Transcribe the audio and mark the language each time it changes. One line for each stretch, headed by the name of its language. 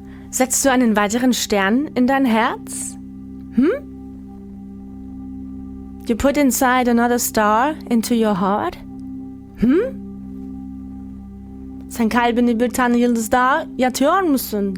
German: Setzt du einen weiteren Stern in dein Herz?
English: You put inside another star into your heart?
Turkish: Sen kalbini bir tane yıldız daha yatıyor musun?